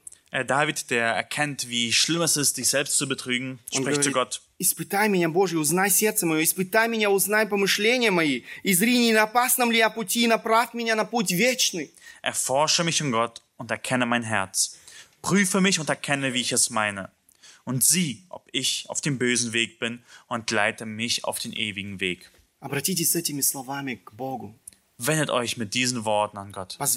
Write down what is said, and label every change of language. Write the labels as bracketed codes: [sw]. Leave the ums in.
[de] Er, David, der erkennt, wie schlimm es ist, dich selbst zu betrügen, spricht er zu Gott. [ru] испытай меня, Боже, узнай сердце мое, испытай меня, узнай помышления мои, и не на опасном ли я пути, и направь меня на путь вечный. [de] Erforsche mich, um Gott, und erkenne mein Herz. Prüfe mich und erkenne, wie ich es meine. Und sieh, ob ich auf dem bösen Weg bin und leite mich auf den ewigen Weg. [ru] Обратитесь этими словами к Богу. [de] wendet euch mit diesen Worten an Gott.